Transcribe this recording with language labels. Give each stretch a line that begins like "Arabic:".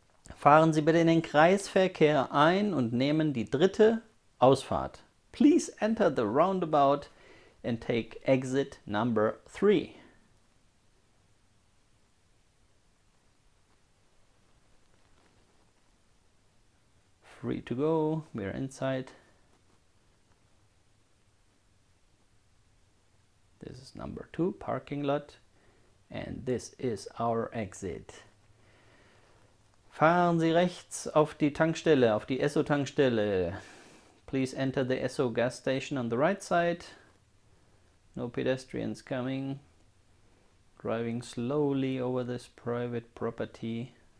German: Fahren Sie bitte in den Kreisverkehr ein und nehmen die dritte Ausfahrt.
English: Please enter the roundabout and take exit number 3. Free to go, we are inside. This is number 2, parking lot. And this is our exit.
German: Fahren Sie rechts auf die Tankstelle, auf die Esso-Tankstelle.
English: Please enter the Esso gas station on the right side. No pedestrians coming. Driving slowly over this private property.